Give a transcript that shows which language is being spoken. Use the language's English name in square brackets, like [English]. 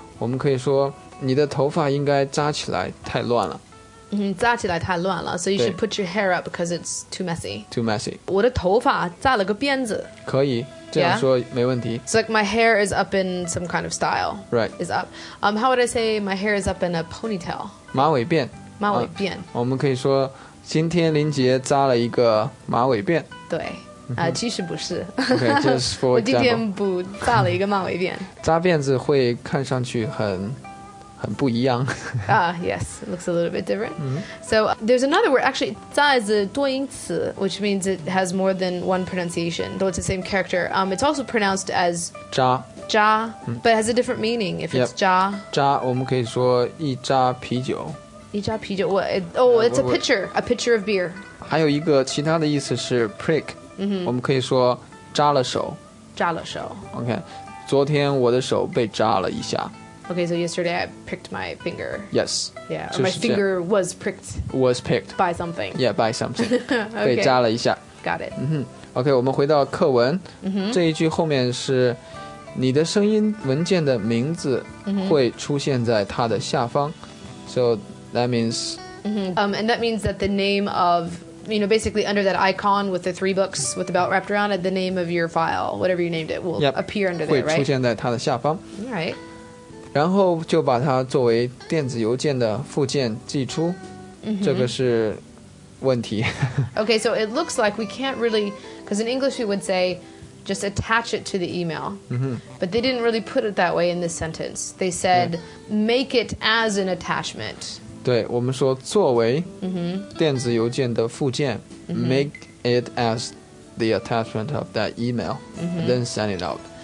[Chinese] 我们可以说，你的头发应该扎起来太乱了。扎起来太乱了。 [English] So you should put your hair up because it's too messy. Too messy. [Chinese] 我的头发扎了个辫子。可以，这样说没问题。 [English] It's like my hair is up in some kind of style. Right. Is up. How would I say my hair is up in a ponytail? [Chinese] 马尾辫。马尾辫。我们可以说，今天林杰扎了一个马尾辫。对。其实不是 [English] okay, just for [Chinese] 我今天不扎了一个马尾辫扎辫子会看上去很不一样 [English] yes, it looks a little bit different So there's another word actually 扎 is a 多音词 which means it has more than one pronunciation though it's the same character It's also pronounced as [Chinese] 扎 [English] but it has a different meaning if it's 扎 [Chinese] 扎我们可以说一扎啤酒一扎啤酒 [English] it's a pitcher of beer [Chinese] 还有一个其他的意思是 prick我们可以说扎了手扎了手 OK 昨天我的手被扎了一下 [English] OK so yesterday I pricked my finger Yes Yeah my finger was pricked Was picked By something Yeah by something 、 okay. [Chinese] 被扎了一下 [English] Got it、 [Chinese] OK 我们回到课文、这一句后面是你的声音文件的名字会出现在它的下方 [English] So that means、 And that means that the name ofYou know, basically under that icon with the three books with the belt wrapped around it, the name of your file, whatever you named it, will appear under there, right? [Chinese] 会出现在它的下方。 [English] Right. [Chinese] 然后就把它作为电子邮件的附件寄出。这个是问题。 [English] Okay, so it looks like we can't really, because in English we would say, just attach it to the email. But they didn't really put it that way in this sentence. They said, make it as an attachment. [Chinese] 对我们说作为电子邮件的附件、 [English] make it as the attachment of that email、 then send it out